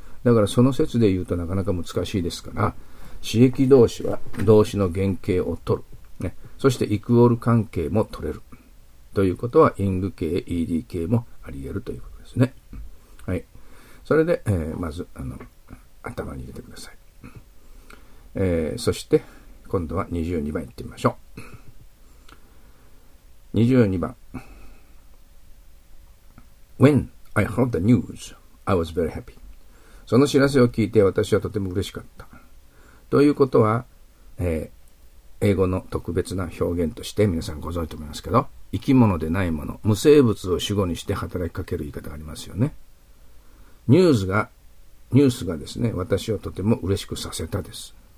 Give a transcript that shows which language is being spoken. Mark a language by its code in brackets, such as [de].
[ja] だからその説で言うとなかなか難しいですから、使役動詞は動詞の原型を取る、ね、そしてイクオール関係も取れるということは、イング形 ED 形もあり得るということですね。はい、それで、まず頭に入れてください。そして今度は22番いってみましょう。 22番。 [en] When I heard the news, I was very happy. [ja] その知らせを聞いて私はとても嬉しかった。ということは、英語の特別な表現として皆さんご存知と思いますけど、生き物でないもの、無生物を主語にして働きかける言い方がありますよね。ニュースがですね、私をとても嬉しくさせたです。